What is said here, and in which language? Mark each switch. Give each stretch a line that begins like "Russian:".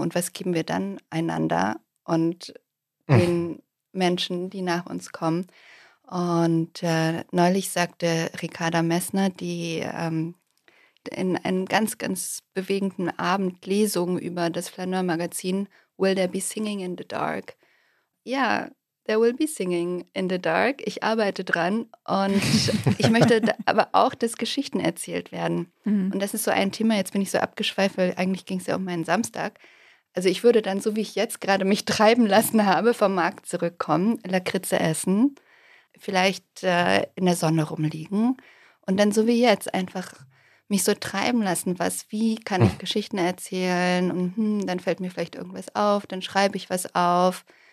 German: Und was geben wir dann einander und den Menschen, die nach uns kommen? Und neulich sagte Ricarda Messner, die in einem ganz, ganz bewegenden Abend Lesung über das Flaneur Magazin Will There Be Singing in the Dark?
English: Ja, there will be singing in the dark.
German: Ich arbeite dran und ich möchte aber auch, dass Geschichten erzählt werden. Mhm. Und das ist so ein Thema, jetzt bin ich so abgeschweift, weil eigentlich ging es ja um meinen Samstag. Also ich würde dann, so wie ich jetzt gerade mich treiben lassen habe, vom Markt zurückkommen, Lakritze essen, vielleicht in der Sonne rumliegen und dann so wie jetzt einfach mich so treiben lassen, was, wie kann ich Geschichten erzählen und dann fällt mir vielleicht irgendwas auf, dann schreibe ich was auf.